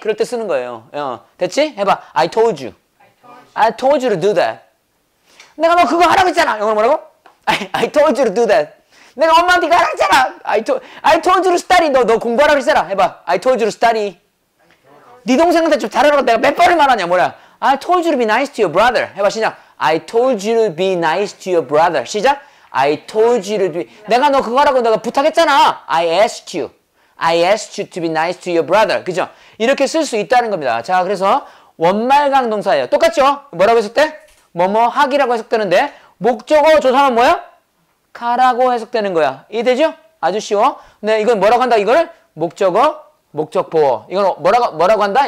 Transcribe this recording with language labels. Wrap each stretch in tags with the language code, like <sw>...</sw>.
<ko>그럴 때 쓰는 거예요. 됐지? 해봐.</ko> <en>I told you. I told you to do that.</en> <ko>내가 너 그거 하라고 했잖아. 영어로 뭐라고?</ko> <en>I told you to do that.</en> <ko>내가 엄마한테 이거 하라고 했잖아.</ko> <en>I told you to study.</en> <ko>너 공부하라고 했잖아. 해봐.</ko> <en>I told you to study.</en> <ko>네 동생한테 좀 잘하라고 내가 몇 번을 말하냐. 뭐야?</ko> <en>I told you to be nice to your brother.</en> <ko>해봐. 시작.</ko> <en>I told you to be nice to your brother.</en> <ko>시작.</ko> <en>I told you to be.</en> <ko>내가 너 그거 하라고 내가 부탁했잖아.</ko> <en>I asked you to be nice to your brother.</en> <ko>그죠? 이렇게 쓸 수 있다는 겁니다. 자, 그래서 원말강 동사예요. 똑같죠? 뭐라고 했을 때? 뭐뭐 하기라고 해석되는데 목적어 조사는 뭐야? 가라고 해석되는 거야. 이해되죠? 아주 쉬워. 네, 이건 뭐라고 한다? 이거를 목적어 목적보어. 이건 뭐라고 한다?</ko>